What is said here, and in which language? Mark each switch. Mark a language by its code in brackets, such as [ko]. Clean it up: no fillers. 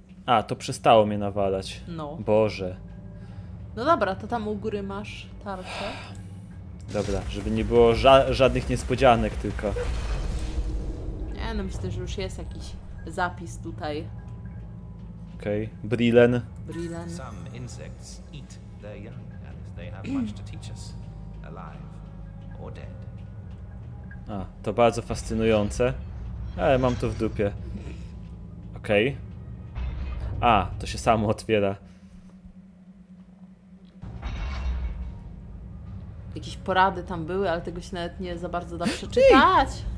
[pl] A, to przestało mnie nawalać. No. Boże. No dobra, to tam u góry masz tarczę. Dobra, żeby nie było żadnych niespodzianek tylko. Nie, no myślę, że już jest jakiś zapis tutaj. Okej, okay. Brillen. Brillen. [en] Some insects eat their young and they have much to teach us, alive or dead. [pl] A, to bardzo fascynujące. Ale mam to w dupie. Okej. Okay. A, to się samo otwiera. Jakieś porady tam były, ale tego się nawet nie za bardzo da przeczytać.